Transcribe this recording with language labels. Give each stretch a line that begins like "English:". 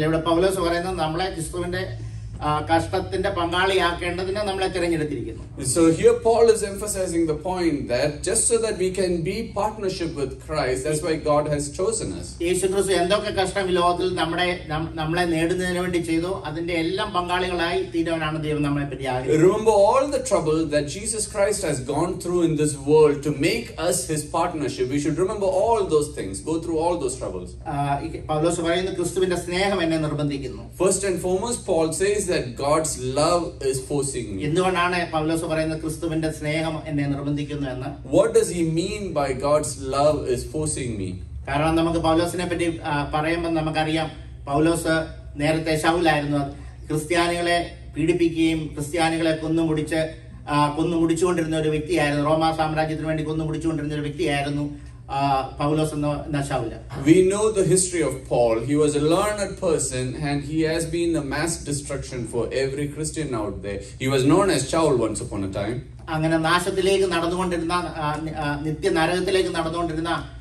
Malayalam: നല്ലവിടെ പൗലോസ് പറയുന്നു, നമ്മളെ ക്രിസ്തുവിന്റെ കഷ്ടത്തിന്റെ പങ്കാളിയാക്കേണ്ടതിനെ നമ്മളെ തിരഞ്ഞെടുത്തിരിക്കുന്നു.
English: So here Paul is emphasizing the point that just so that we can be partnership with Christ, that's why God has chosen us.
Malayalam: യേശുക്രിസ്തു എന്തൊക്കെ കഷ്ടം ലോകത്തിൽ നമ്മളെ നേടുന്നതിന് വേണ്ടി ചെയ്തു, അതിന്റെ എല്ലാം പങ്കാളികളായി തീരുവാനാണ് ദൈവം നമ്മളെ പറ്റി ആഗ്രഹിക്കുന്നത്.
English: Remember all the trouble that Jesus Christ has gone through in this world to make us his partnership. We should remember all those things, go through all those troubles.
Malayalam: പൗലോസ് പറയുന്നു, ക്രിസ്തുവിന്റെ സ്നേഹം എന്നെ നിർബന്ധിക്കുന്നു.
English: First and foremost, Paul says, is that God's love is forcing me?
Malayalam: എന്തുകൊണ്ടാണ് പൗലോസ് പറയുന്നത് ക്രിസ്തുവിന്റെ സ്നേഹം എന്നെ നിർബന്ധിക്കുന്നു എന്ന്?
English: What does he mean by God's love is forcing me?
Malayalam: കാരണം നമുക്ക് പൗലോസിനെ പറ്റി പറയുമ്പോൾ നമുക്കറിയാം പൗലോസ് നേരത്തെ ശൗലായിരുന്നു ക്രിസ്ത്യാനികളെ പീഡിപ്പിക്കുകയും ക്രിസ്ത്യാനികളെ കൊന്നുമുടിച്ചുകൊണ്ടിരുന്ന ഒരു വ്യക്തിയായിരുന്നു റോമാ സാമ്രാജ്യത്തിന് വേണ്ടി കൊന്നുമുടിച്ചുകൊണ്ടിരുന്ന ഒരു വ്യക്തിയായിരുന്നു പൗലോസ് എന്ന ശൗല.
English: We know the history of Paul. He was a learned person and he has been a mass destruction for every Christian out there. He was known as Saul once upon a time.
Malayalam: അങ്ങനെ നാശത്തിലേക്ക് നടന്നുകൊണ്ടിരുന്ന നിത്യ നരകത്തിലേക്ക് നടന്നുകൊണ്ടിരുന്ന